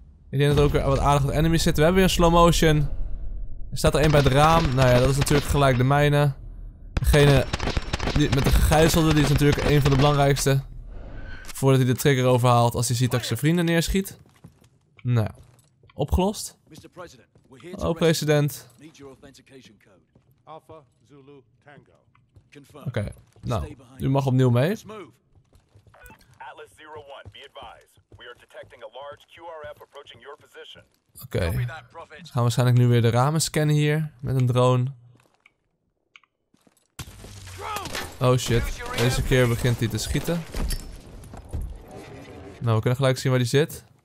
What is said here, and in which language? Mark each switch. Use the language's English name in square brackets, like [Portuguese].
[Dutch] Ik denk dat er ook weer wat aardig wat enemies zitten. We hebben weer een slow motion. Er staat er één bij het raam. Nou ja, dat is natuurlijk gelijk de mijne. Degene die, met de gegijzelde, die is natuurlijk een van de belangrijkste. Voordat hij de trigger overhaalt als hij ziet dat ik zijn vrienden neerschiet. Nou ja. Opgelost. Mr. [English] President, we're here to [Dutch] Hallo, president. [English] Need your authentication code. Alpha Zulu Tango. Confirm. [Dutch] Oké, nou, u mag opnieuw mee. Atlas 01, [English] be advised. We are detecting a large QRF approaching your position. [Dutch] Oké. Dus gaan we waarschijnlijk nu weer de ramen scannen hier met een drone. Oh shit. Deze keer begint hij te schieten. Nou, we kunnen gelijk zien waar hij zit.